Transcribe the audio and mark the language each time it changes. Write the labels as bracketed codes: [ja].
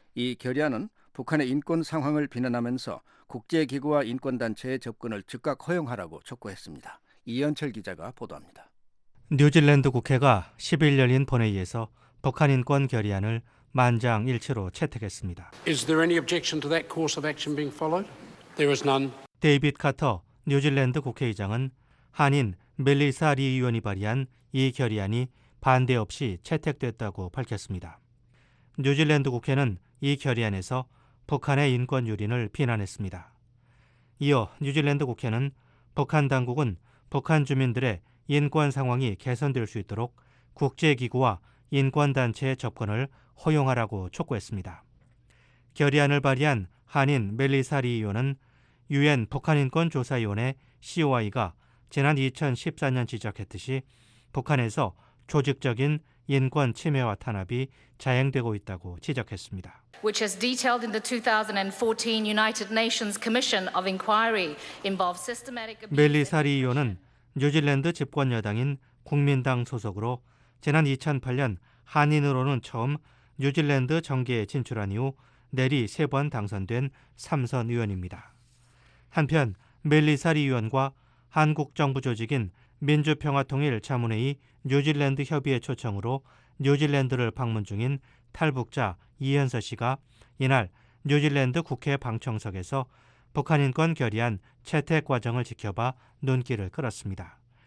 [ko] 이 결의안은 북한의 인권 상황을 비난하면서 국제기구와 인권단체의 접근을 즉각 허용하라고 촉구했습니다. 이현철 기자가 보도합니다. 뉴질랜드 국회가 10일 열린 본회의에서 북한 인권 결의안을 만장일치로 채택했습니다. [en] Is there any objection to that course of action being followed? There is none. [ko] 데이빗 카터 뉴질랜드 국회의장은 한인 멜리사 리 의원이 발의한 이 결의안이 반대 없이 채택됐다고 밝혔습니다. 뉴질랜드 국회는 이 결의안에서 북한의 인권 유린을 비난했습니다. 이어 뉴질랜드 국회는 북한 당국은 북한 주민들의 인권 상황이 개선될 수 있도록 국제기구와 인권단체의 접근을 허용하라고 촉구했습니다. 결의안을 발의한 한인 멜리사 리 의원은 유엔 북한인권조사위원회 COI가 지난 2014년 지적했듯이 북한에서 조직적인 인권 침해와 탄압이 자행되고 있다고 지적했습니다. [en] Which has detailed in the 2014 United Nations Commission of Inquiry involves systematic abuse. [ko] 멜리사 리 의원은 뉴질랜드 집권 여당인 국민당 소속으로 지난 2008년 한인으로는 처음 뉴질랜드 정계에 진출한 이후 내리 세 번 당선된 3선 의원입니다. 한편 멜리사 리 의원과 한국 정부 조직인 민주평화통일자문회의 뉴질랜드 협의회 초청으로 뉴질랜드를 방문 중인 탈북자 이현서 씨가 이날 뉴질랜드 국회 방청석에서 북한인권 결의안 채택 과정을 지켜봐 눈길을 끌었습니다.